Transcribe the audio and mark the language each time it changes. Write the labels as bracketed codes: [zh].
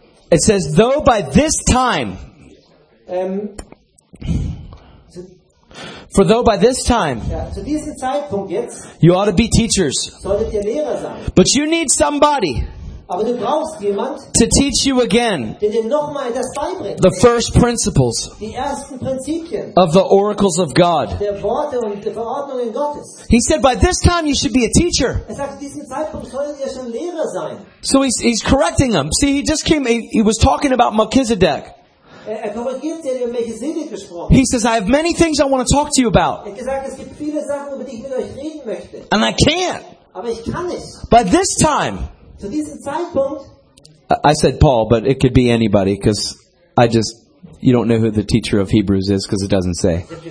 [en] It says, though by this time, for though by this time, you ought to be teachers, but you need somebody [de] aber du brauchst jemand, [en] to teach you again [de] nochmal das beibringt, [en] the first principles [de] die ersten Prinzipien, [en] of the oracles of God. [de] Der Worte und der Verordnungen Gottes. [en] He said, by this time you should be a teacher. [de] Er sagt, diesem Zeitpunkt solltet ihr schon Lehrer sein. [en] So he's correcting them. See, he just came, he was talking about Melchizedek. [de] Er korrigiert, er hat über Melchizedek gesprochen. [en] He says, I have many things I want to talk to you about. [de] Er hat gesagt, es gibt viele Sachen, über die ich mit euch reden möchte. [en] And I can't. [de] Aber ich kann nicht. [en] By this time, I said Paul, but it could be anybody, because I just, you don't know who the teacher of Hebrews is, because it doesn't say.